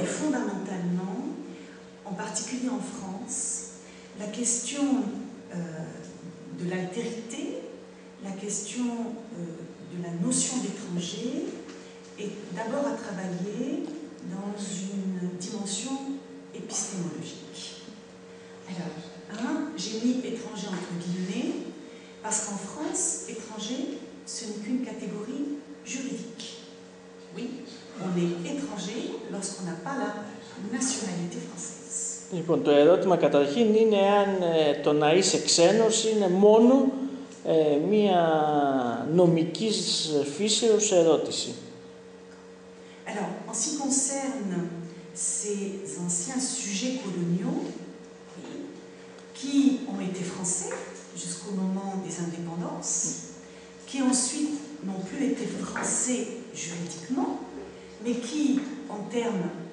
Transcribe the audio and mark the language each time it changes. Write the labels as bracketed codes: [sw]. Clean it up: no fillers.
[fr] Et fondamentalement, en particulier en France, la question de l'altérité, la question de la notion d'étranger est d'abord à travailler dans une dimension épistémologique. Alors, un, j'ai mis étranger entre guillemets, parce qu'en France, étranger, ce n'est qu'une catégorie juridique. Oui, on est étranger lorsqu'on n'a pas la nationalité française. [el] Λοιπόν, το ερώτημα καταρχήν είναι αν το να είσαι ξένος είναι μόνο μία νομικής φύσεως ερώτηση. [fr] Alors, en ce qui concerne ces anciens sujets coloniaux qui ont été français jusqu'au moment des indépendances, qui ensuite n'ont plus été français juridiquement, mais qui, en termes